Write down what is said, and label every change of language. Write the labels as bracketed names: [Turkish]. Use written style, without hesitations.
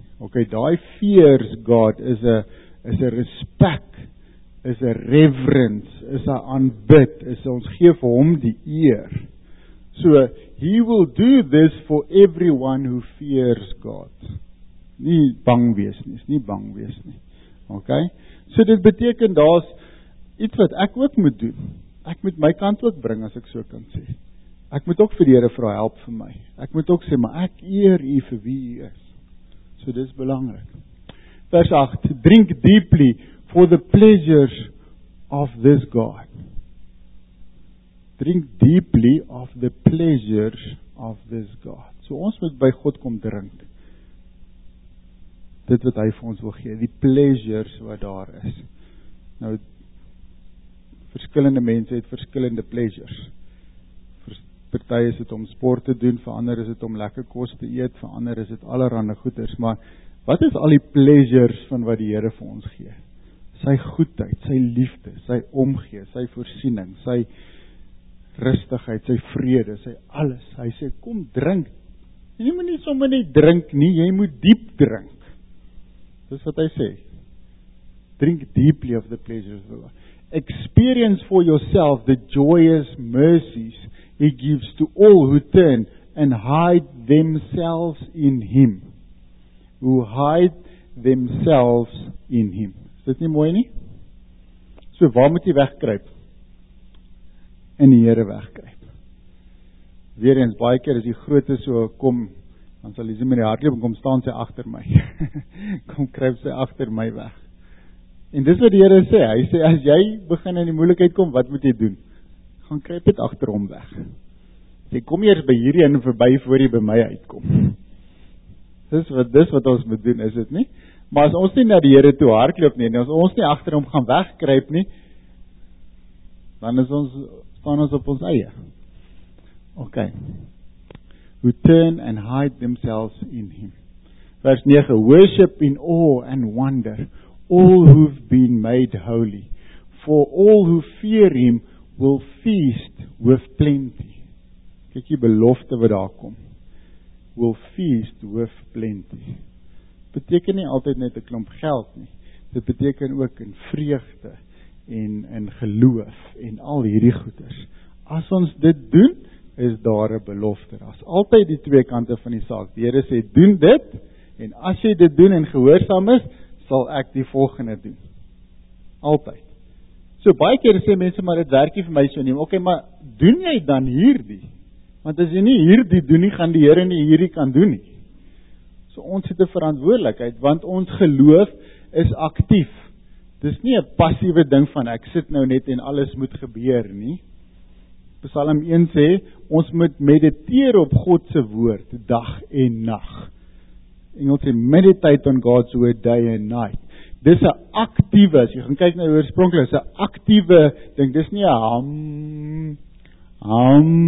[English] Ok, daai fears God is a respect, is a reverence, is a aanbid, is a, [Afrikaans] ons geef hom die eer. [English] So, he will do this for everyone who fears God. [Afrikaans] Nie bang wees nie, is nie bang wees nie. Ok, so dit beteken daar's iets wat ek ook moet doen. Ek moet my kant ook bring, as ek so kan sê. Ek moet ook vir die Here vra help vir my. Ek moet ook sê, maar ek eer u vir wie u is. So dis belangrik. [English] Vers 8, drink deeply for the pleasures of this God. drink deeply of the pleasures of this God. [Afrikaans] So ons moet by God kom drink. Dit wat hy vir ons wil gee, die pleasures wat daar is. Nou, verskillende mense het verskillende pleasures. Party is het om sport te doen, vir ander is het om lekker kos te eet, vir ander is het allerhande goeders, maar wat is al die pleasures van wat die Here vir ons gee? Sy goedheid, sy liefde, sy omgee, sy voorsiening, sy rustigheid, sy vrede, sy alles. Hy sê, kom drink. Jy moet nie sommer net drink nie, jy moet diep drink. Dis wat hy sê. [English] Drink deeply of the pleasures of the Lord. Experience for yourself the joyous mercies he gives to all who turn and hide themselves in him. Who hide themselves in him. [Afrikaans] Is dit nie mooi nie? So waar moet jy wegkruip? In die Here wegkruip. Weer eens, baie keer as die groote so kom, dan sal die met die hartloop en kom staan sy achter my. Kom kruip sy achter my weg. En dis wat die Here sê, hy sê, as jy begin in die moeilikheid kom, wat moet jy doen? Gaan kruip het achter hom weg. Sê, kom eers by hierdie en voorbij, voor jy by my uitkom. Dis wat ons moet doen, is het nie? Maar as ons nie na die Here toe hardloop nie, en as ons nie achter hom gaan wegkruip nie, dan is ons, staan ons op ons eie. Ok. [English] Who turn and hide themselves in him. Vers 9, worship in awe and wonder, all who've been made holy, for all who fear him will feast with plenty. [Afrikaans] Kyk die belofte wat daar kom. [English] Will feast with plenty. [Afrikaans] Beteken nie altyd net 'n klomp geld nie. Dit beteken ook in vreugde en in geloof en al hierdie goeders. As ons dit doen, is daar 'n belofte. As altyd die twee kante van die saak. Die Here sê, doen dit, en as jy dit doen en gehoorsaam is, sal ek die volgende doen. Altyd. So, baie keer sê mense, maar dit werk nie vir my so nie. Ok, maar doen jy dan hierdie? Want as jy nie hierdie doen nie, gaan die Here nie hierdie kan doen nie. So, ons het 'n verantwoordelikheid, want ons geloof is aktief. Dis nie 'n passiewe ding van, ek sit nou net en alles moet gebeur nie. Psalm 1 sê, ons moet mediteer op God se woord, dag en nacht. Engels sê, [English] meditate on God's word day and night. [Afrikaans] Dis 'n aktiewe, as jy gaan kyk na die oorspronklik, is 'n aktiewe ding, dis nie 'n ham.